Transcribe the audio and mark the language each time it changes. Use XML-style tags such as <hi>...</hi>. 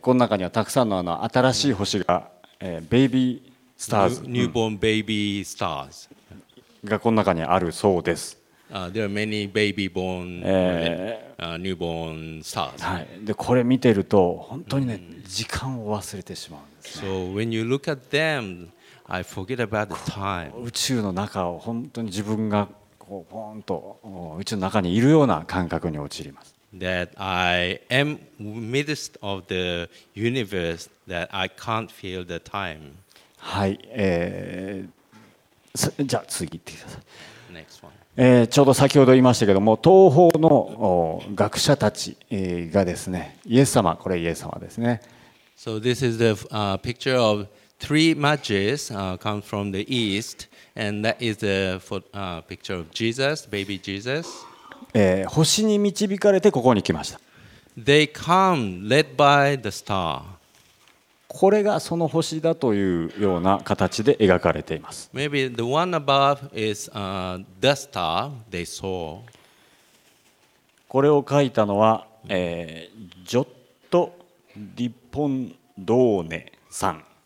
<ja>この中にはたくさん の新しい星が、ベイビースターズ。</ja> <en>Newborn baby stars。</en> <ja>がこの中にあるそうです。</ja> <en>There are many baby born、newborn stars。</en> <ja>はい。でこれ見てると本当にね、時間を忘れてしまうんです、ね。</ja> <en>So when you look at them, I forget about the time。</en> <ja>宇宙の中を本当に自分がこうポーンと宇宙の中にいるような感覚に陥ります。</ja> <en>That I am midst of the universe that I can't feel the time.</en> <ja>はい、じゃあ次行ってください。</ja> <en>Next one.</en> <ja>ちょうど先ほど言いましたけども、東方の学者たちがですね、イエス様、これイエス様ですね。</ja> <en>So this is the picture of three mages come from the east, and that is the picture of Jesus, baby Jesus.</en> <ja>星に導かれてここに来ました。</ja> <en>They come led by the star.</en> <ja>これがその星だというような形で描かれています。</ja> <en>Maybe the one above is the star they saw.</en> <ja>これを描いたのは、ジョット・ディポンドーネさん。</ja>